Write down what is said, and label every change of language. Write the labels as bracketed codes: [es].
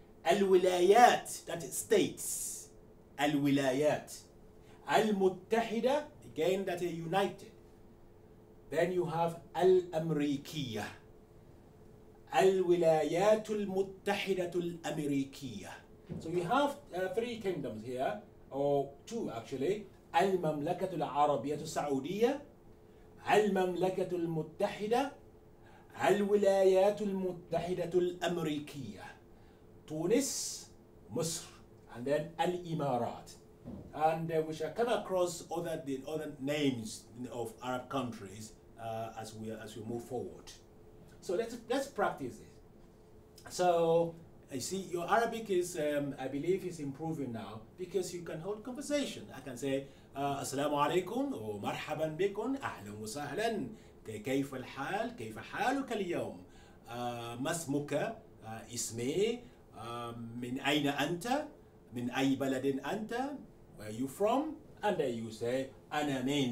[en] الولايات, that is states. الولايات. المتحدة, again, that is united. Then you have الأمريكية. [ar] الولايات المتحدة الأمريكية. [en] So you have three kingdoms here, or two actually. [ar] المملكة العربية السعودية. المملكة المتحدة. الولايات المتحدة الأمريكية. تونس, مصر. [en] And then [ar] الإمارات. [en] And we shall come across other names of Arab countries as we move forward. So let's practice this. So I see your Arabic is, I believe, is improving now because you can hold conversation. [ar] I can say السلام عليكم ومرحبا بكم أهلا وسهلا كيف الحال كيف حالك اليوم ما اسمك اسمي من أين أنت من أي بلد أنت [en] where are you from and then you say [ar] أنا